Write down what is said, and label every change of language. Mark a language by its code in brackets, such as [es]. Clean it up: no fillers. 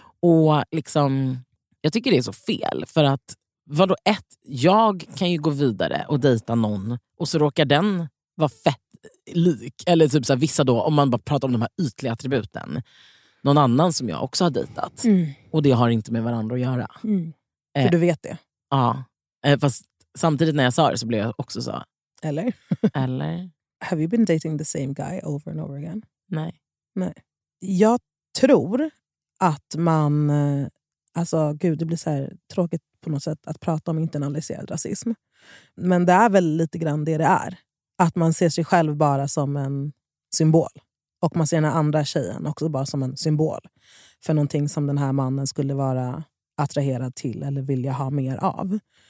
[sv] Och liksom, jag tycker det är så fel, för att vadå, ett, jag kan ju gå vidare och dejta någon och så råkar den vara fett lik, eller typ så här, vissa då, om man bara pratar om de här ytliga attributen, någon annan som jag också har dejtat. Mm. Och det har inte med varandra att göra. Mm. För du vet det. Ja. Fast samtidigt när jag sa det så blev jag också så. Eller? Eller? [en] Have you been dating the same guy over and over again? [sv] Nej. Nej. Jag tror att man, alltså gud, det blir så här tråkigt på något sätt att prata om internaliserad rasism. Men det är väl lite grann det är. Att man ser sig själv bara som en symbol. Och man ser den andra tjejen också bara som en symbol. För någonting som den här mannen skulle vara attraherad till eller vilja ha mer av.